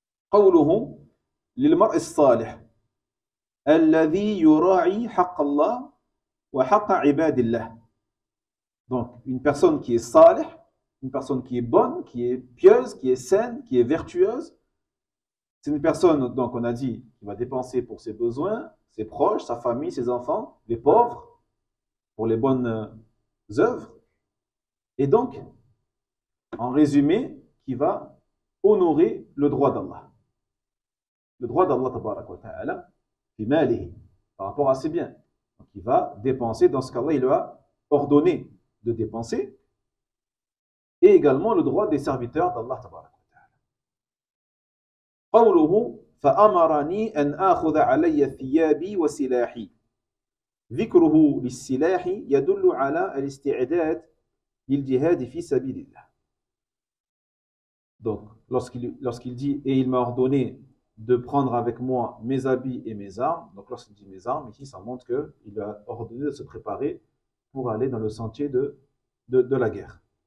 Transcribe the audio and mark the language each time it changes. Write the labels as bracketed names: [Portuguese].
[Arabic] قوله للمرء الصالح الذي يراعي حق الله وحق عباد الله [French] donc une personne qui est صالح une personne qui est bonne, qui est pieuse, qui est saine, qui est vertueuse. C'est une personne, donc on a dit, qui va dépenser pour ses besoins, ses proches, sa famille, ses enfants, les pauvres, pour les bonnes œuvres. Et donc, en résumé, qui va honorer le droit d'Allah. Le droit d'Allah, tabarak wa ta'ala, Par rapport à ses biens. Donc il va dépenser dans ce cas-là, il lui a ordonné de dépenser. Et également le droit des serviteurs d'Allah Ta'ala. [Arabic] قوله فأمرني أن آخذ علي ثيابي وسلاحي ذكره للسلاح يدل على الاستعداد للجهاد في سبيل الله. [French] Donc, lorsqu'il dit, et il m'a ordonné de prendre avec moi mes habits et mes armes, donc lorsqu'il dit mes armes, ici, ça montre qu'il a ordonné de se préparer pour aller dans le sentier de la guerre.